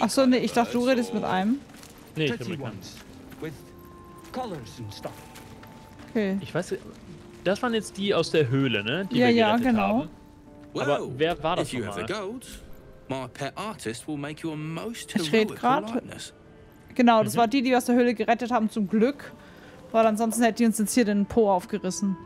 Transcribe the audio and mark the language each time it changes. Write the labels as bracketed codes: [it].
[de] Ach so, nee, ich dachte, du redest mit einem. Nee, ich mit keinem. [en] With colors and stuff. Okay. [de] Ich weiß, das waren jetzt die aus der Höhle, ne? Die ja, wir ja, genau. Haben. Aber wer war das nochmal? [en] My pet artist will make you a most heroic likeness. [de] Genau, das war die wir aus der Höhle gerettet haben, zum Glück. Weil ansonsten hätte die uns jetzt hier den Po aufgerissen.